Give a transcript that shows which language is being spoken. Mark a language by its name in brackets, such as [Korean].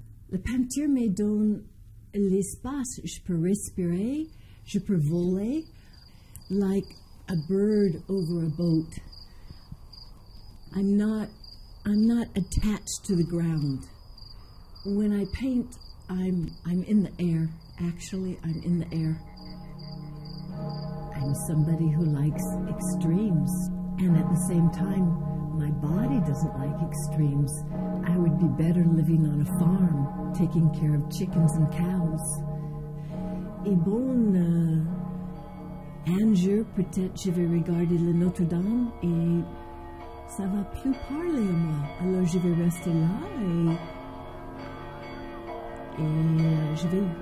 [French] La peinture me donne l'espace. Je peux respirer, je peux voler, [English] like a bird over a boat. I'm not attached to the ground. When I paint, I'm in the air. Actually, I'm in the air. I'm somebody who likes extremes. And at the same time, my body doesn't like extremes. I would be better living on a farm, taking care of chickens and cows. [French] Et bon, un jour, peut-être je vais regarder le Notre-Dame et ça va plus parler à moi. Alors je vais rester là et je vais essayer pour peindre, mais ça va pas marcher.